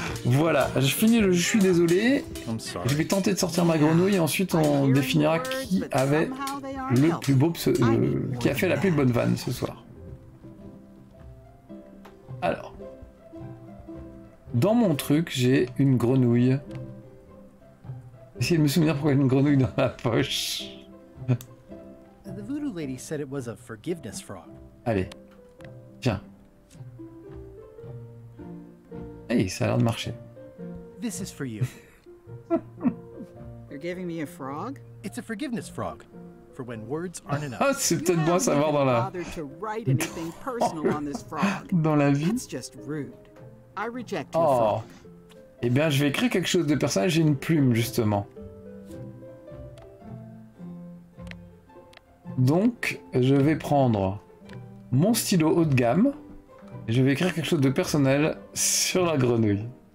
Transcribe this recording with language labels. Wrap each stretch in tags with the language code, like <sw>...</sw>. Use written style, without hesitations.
<fr>Voilà, je finis le « je suis désolé ». Je vais tenter de sortir ma grenouille et ensuite on définira qui avait le plus beau qui a fait la plus bonne vanne ce soir. Alors, dans mon truc, j'ai une grenouille... Essayez de me souvenir pourquoi une grenouille dans la poche.</fr> <en>The voodoo lady said it was a forgiveness frog.</en> <fr>Allez, viens. Hey, ça a l'air de marcher.</fr> <en>This is for you. You're giving me a frog? It's a forgiveness frog, for when words aren't enough.</en> <fr>Ah, c'est peut-être bon à savoir dans la.</fr> <en>To write anything personal on this frog.</en> <fr>Dans la vie.</fr> <en>That's just rude. I reject your frog.</en> <fr>Eh bien, je vais écrire quelque chose de personnel, j'ai une plume, justement. Donc, je vais prendre mon stylo haut de gamme, et je vais écrire quelque chose de personnel sur la grenouille.</fr>